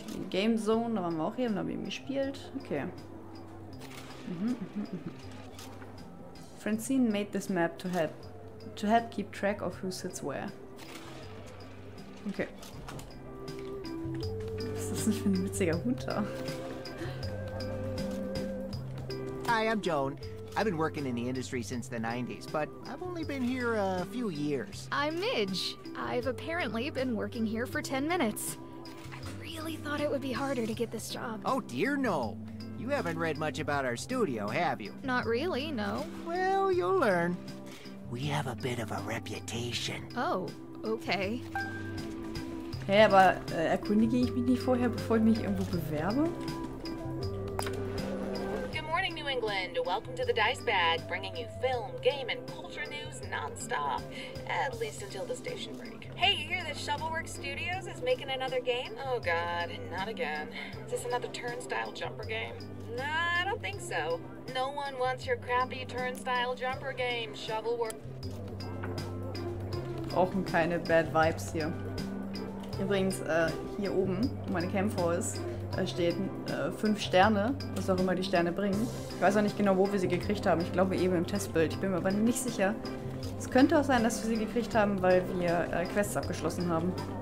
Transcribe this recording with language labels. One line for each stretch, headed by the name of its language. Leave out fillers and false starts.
German: Game Zone, da waren wir auch eben, da haben wir eben gespielt. Okay.
English: Francine made this map to help keep track of who sits where. Okay.
German: Was ist das denn für ein witziger Hund da?
English: Hi, I'm Joan. I've been working in the industry since the 90s, but I've only been here a few years. I'm Midge. I've apparently been working here for 10 minutes. Thought it would be harder to get this job. Oh dear, no. You haven't read much about our studio, have you? Not really, no. Well, you'll learn. We have a bit of a reputation. Oh, okay.
German: Hä, hey, aber erkundige ich mich nicht vorher, bevor ich mich irgendwo bewerbe?
English: Good morning, New England. Welcome to the Dice Bag, bringing you film, game and culture news nonstop. At least until the station break. Hey, you hear that Shovelwork Studios is making another game? Oh god, not again. Is this another turnstile jumper game? Nah, I don't think so. No one wants your crappy turnstile jumper game, Shovelwork.
German: Brauchen keine Bad Vibes hier. Übrigens, hier oben, wo meine Campfire ist, steht 5 Sterne, was auch immer die Sterne bringen. Ich weiß auch nicht genau, wo wir sie gekriegt haben. Ich glaube eben im Testbild. Ich bin mir aber nicht sicher. Es könnte auch sein, dass wir sie gekriegt haben, weil wir Quests abgeschlossen haben.